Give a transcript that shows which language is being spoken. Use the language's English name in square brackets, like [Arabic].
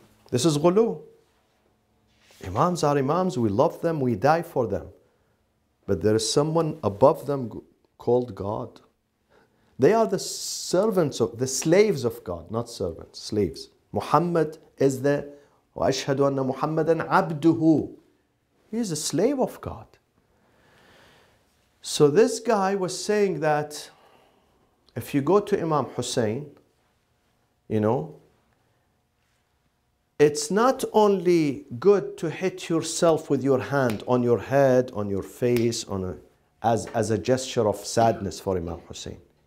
[English] This is ghulu. Imams are imams, we love them, we die for them. But there is someone above them called God. They are the servants of, the slaves of God, not servants, slaves. Muhammad is the, [Arabic] وَأَشْهَدُ أَنَّ مُحَمَّدًا عَبْدُهُ. [English] He is a slave of God. So this guy was saying that if you go to Imam Hussein, you know, it's not only good to hit yourself with your hand on your head, on your face, as a gesture of sadness for Imam Hussein.